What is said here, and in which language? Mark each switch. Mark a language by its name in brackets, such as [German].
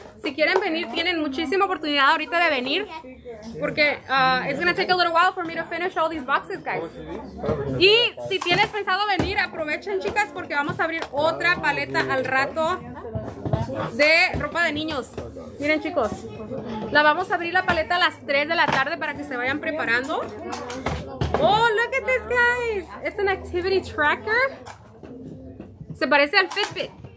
[Spanish] Si quieren venir, tienen muchísima oportunidad ahorita de venir. Porque [English] it's gonna take a little while for me to finish all these boxes, guys. [Spanish] Y si tienes pensado venir, aprovechen, chicas, porque vamos a abrir otra paleta al rato de ropa de niños. Miren, chicos, la vamos a abrir la paleta a las 3 de la tarde para que se vayan preparando. [English] Oh, look at this, guys. It's an activity tracker. [Spanish] Se parece al Fitbit.